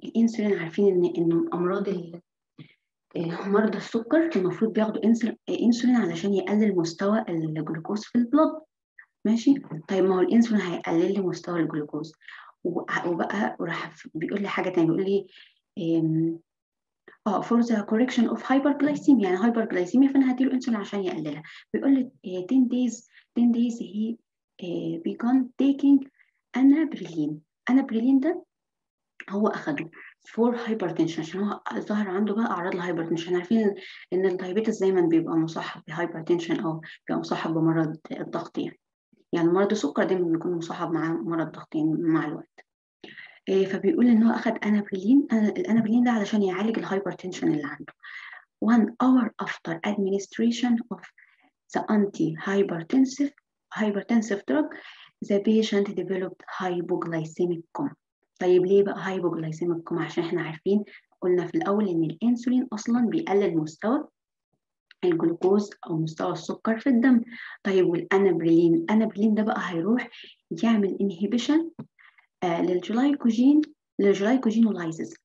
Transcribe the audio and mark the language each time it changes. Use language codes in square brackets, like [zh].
[ar] الانسولين عارفين ان امراض مرضى السكر المفروض بياخدوا انسولين علشان يقلل مستوى الجلوكوز في البلد، ماشي؟ طيب ما هو الانسولين هيقلل لي مستوى الجلوكوز، وبقى وراح بيقول لي حاجه ثانيه، بيقول لي [en] for the correction of hyperglycemia، [ar] يعني hyperglycemia، فانا هدي له انسولين عشان يقللها. بيقول لي [en] 10 days he began taking Anaprilin. [ar] انابريلين ده هو اخده فور هايبرتنشن، عشان هو ظهر عنده بقى اعراض الهايبرتنشن. عارفين ان الدايبيتس دايما بيبقى مصاحب بهايبرتنشن، او بيبقى مصاحب بمرض الضغط، يعني مرض السكر دايما بيكون مصاحب مع مرض الضغط مع الوقت. فبيقول ان هو اخد انابولين، الانابولين ده علشان يعالج الهايبرتنشن اللي عنده. [en] 1 hour after administration of the anti-hypertensive drug, the patient developed hypoglycemic coma. [ar] طيب ليه بقى هايبوجلايسيميك؟ عشان احنا عارفين قلنا في الاول ان الانسولين اصلا بيقلل مستوى الجلوكوز او مستوى السكر في الدم. طيب والانابرلين؟ الانابرلين ده بقى هيروح يعمل انهيبيشن للجلايكوجين، للجلايكوجينولايزز.